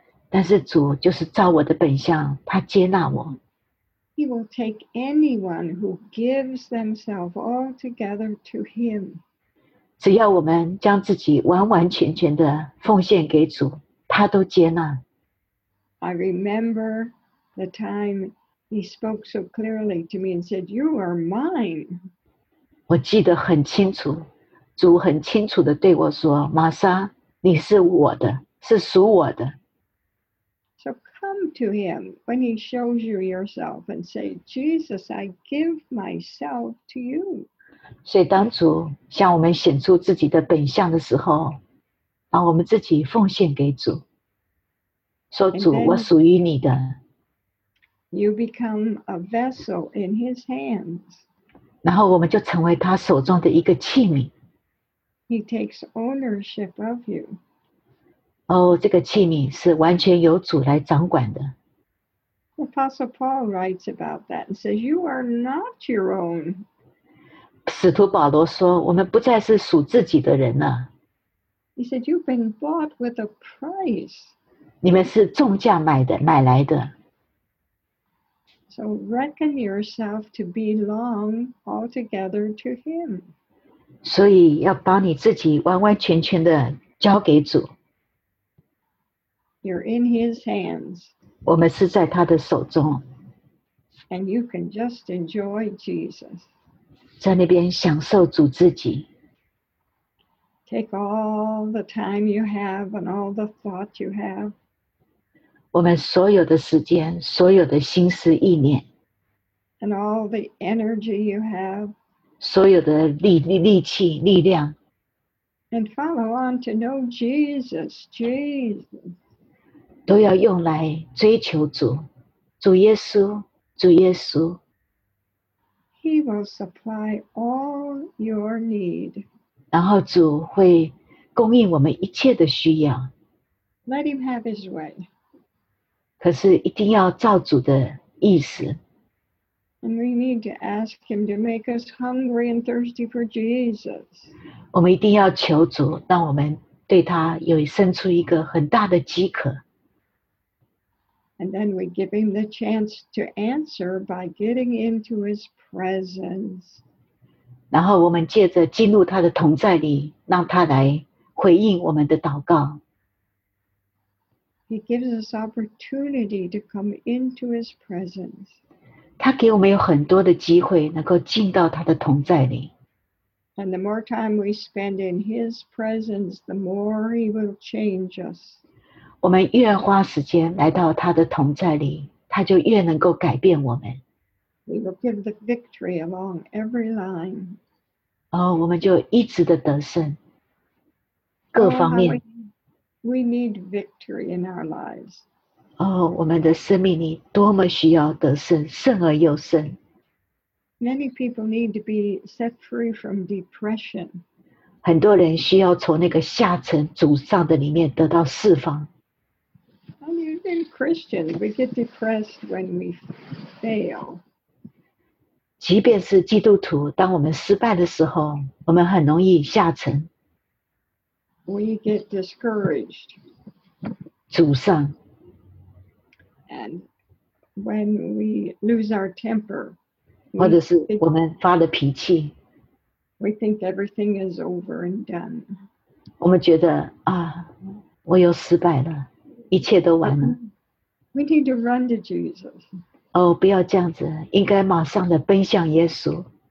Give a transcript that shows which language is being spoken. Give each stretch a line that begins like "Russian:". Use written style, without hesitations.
Chinese: 但是主就是照我的本相，他接纳我。
English: He will take anyone who gives themselves altogether to him.
Chinese: 只要我们将自己完完全全的奉献给主，他都接纳。
English: I remember the time he spoke so clearly to me and said, "You are mine."
Chinese: 我记得很清楚，主很清楚地对我说，玛莎，你是我的，是属我的。
English: So come to him when he shows you yourself and say, "Jesus, I give myself to you."
Chinese: 所以当主向我们显出自己的本相的时候，把我们自己奉献给主，说主，我属于你的。
English: You become a vessel in his hands.
Chinese: 然后我们就成为他手中的一个器皿。
English: He takes ownership of you.
Chinese: 这个器皿是完全由主来掌管的。
English: The Apostle Paul writes about that and says, "You are not your own."
Chinese: 使徒保罗说，我们不再是属自己的人了。
English: He said, "You've been bought with a price."
Chinese: 你们是重价买来的。
English: So reckon yourself to belong altogether to him.
Chinese: 所以要把你自己完完全全的交给主。
English: You're in his hands.
Chinese: 我们是在他的手中。
English: And you can just enjoy Jesus.
Chinese: 在那边享受主自己。
English: Take all the time you have and all the thought you have.
Chinese: 我们所有的时间，所有的心思意念
English: ，and all the energy you have，
Chinese: 所有的力气、力量
English: ，and follow on to know Jesus，
Chinese: 都要用来追求主，主耶稣，主耶稣。
English: He will supply all your need，
Chinese: 然后主会供应我们一切的需要。
English: Let him have his way。
Chinese: 可是一定要照主的意思。
English: And we need to ask him to make us hungry and thirsty for Jesus.
Chinese: 我们一定要求主，让我们对他有生出一个很大的饥渴。
English: And then we give him the chance to answer by getting into his presence.
Chinese: 然后我们借着进入他的同在里，让他来回应我们的祷告。
English: He gives us opportunity to come into his presence.
Chinese: 他给我们有很多的机会能够进到他的同在里。
English: And the more time we spend in his presence, the more he will change us.
Chinese: 我们越花时间来到他的同在里，他就越能够改变我们。
English: We will give the victory along every line.
Chinese: 我们就一直的得胜，各方面。
English: We need victory in our lives.
Chinese: 我们的生命里多么需要得胜，胜而又胜。
English: Many people need to be set free from depression.
Chinese: 很多人需要从那个下沉、沮丧的里面得到释放。
English: And even Christians, we get depressed when we fail.
Chinese: 即便是基督徒，当我们失败的时候，我们很容易下沉。
English: We get discouraged.
Chinese: 沮丧。
English: And when we lose our temper,
Chinese: 或者是我们发了脾气，
English: we think everything is over and done.
Chinese: 我们觉得啊，我又失败了，一切都完了。
English: We need to run to Jesus.
Chinese: 不要这样子，应该马上的奔向耶稣。